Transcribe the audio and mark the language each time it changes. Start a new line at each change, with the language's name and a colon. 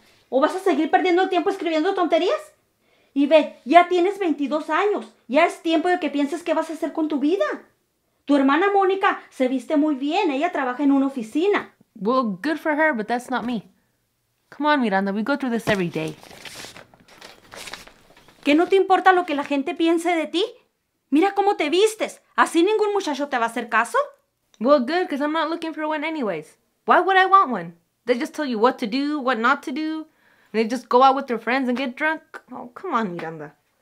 Spanish: ¿O vas a seguir perdiendo el tiempo escribiendo tonterías? Y ve, ya tienes 22 años. Ya es tiempo de que pienses qué vas a hacer con tu vida. Tu hermana Mónica se viste muy bien. Ella trabaja en una oficina.
English: Well, good for her, but that's not me. Come on, Miranda, we go through this every day.
Spanish: ¿Qué, no te importa lo que la gente piense de ti? Mira cómo te vistes. ¿Así ningún muchacho te va a hacer caso?
English: Well, good, because I'm not looking for one anyways. Why would I want one? They just tell you what to do, what not to do, and they just go out with their friends and get drunk? Oh, come on, Miranda.